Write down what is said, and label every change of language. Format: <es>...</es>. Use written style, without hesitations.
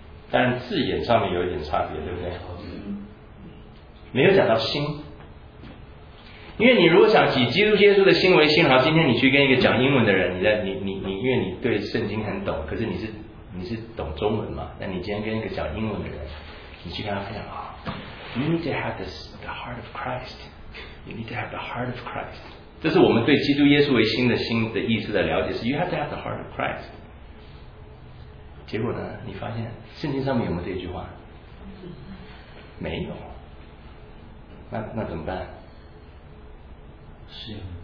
<zh>但字眼上面有一点差别，对不对？没有讲到心，因为你如果想以基督耶稣的心为心，好，今天你去跟一个讲英文的人，你因为你对圣经很懂，可是你是懂中文嘛？那你今天跟一个讲英文的人，你去跟他分享啊。</zh> <en>You need to have the heart of Christ. You need to have the heart of Christ.</en> <zh>这是我们对基督耶稣为心的心的意思的了解，是</zh> <en>You have to have the heart of Christ.</en> <zh>结果呢，你发现圣经上面有没有这句话？没有。那怎么办？是。</zh>